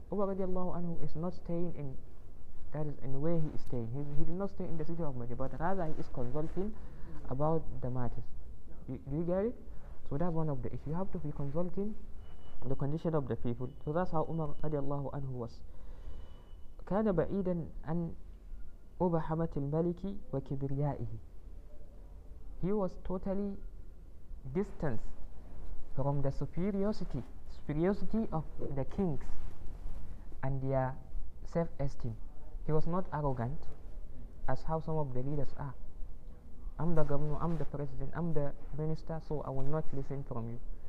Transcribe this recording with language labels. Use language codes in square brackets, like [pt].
[en] Umar radiallahu anhu is not staying in, that is in where he is staying. He did not stay in the city of Medina, but rather he is consulting about the matters. Do you get it? So that's one of the issues. You have to be consulting the condition of the people. So that's how Umar radiallahu anhu was. [ar] كان بعيدا عن أبحمة الملك وكبريائه. [en] He was totally distant from the superiority of the kings and their self-esteem. He was not arrogant, as how some of the leaders are. I'm the governor, I'm the president, I'm the minister, so I will not listen from you.